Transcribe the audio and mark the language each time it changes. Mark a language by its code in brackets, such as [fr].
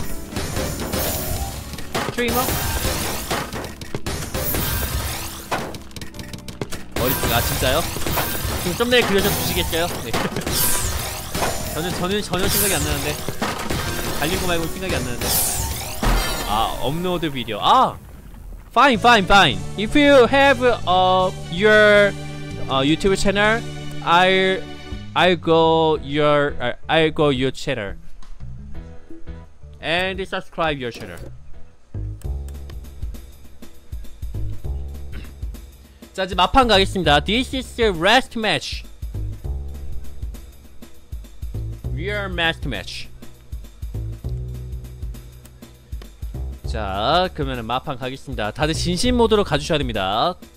[ko] 스트리머? 어리쁘다. 아, 진짜요? 지금 썸네일 그려주시겠어요? 네. 전혀 생각이 안 나는데. 달린 거 말고 생각이 안 나는데. 아, 업로드 비디오. 아, fine. [en] If you have your YouTube channel, I'll go your channel and subscribe your channel. [ko] 자, 이제 마판 가겠습니다. [en] This is the last match. Your last match. [ko] 자, 그러면은 마판 가겠습니다. 다들 진심 모드로 가주셔야 됩니다.